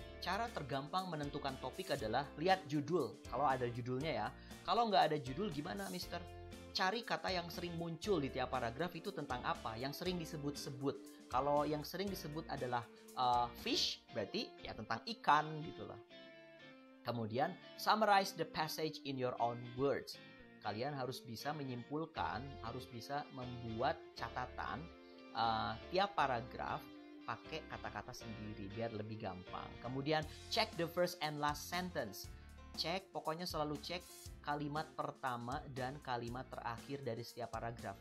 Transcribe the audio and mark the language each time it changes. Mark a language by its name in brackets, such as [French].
[Indonesian] Cara tergampang menentukan topik adalah lihat judul. Kalau ada judulnya ya. Kalau nggak ada judul gimana, Mister? Cari kata yang sering muncul di tiap paragraf itu tentang apa? Yang sering disebut-sebut. Kalau yang sering disebut adalah fish, berarti ya tentang ikan gitulah. Kemudian, [English] summarize the passage in your own words. [Indonesian] Kalian harus bisa menyimpulkan, harus bisa membuat catatan tiap paragraf pakai kata-kata sendiri biar lebih gampang. Kemudian, [English] check the first and last sentence. [Indonesian] Cek, pokoknya selalu cek kalimat pertama dan kalimat terakhir dari setiap paragraf.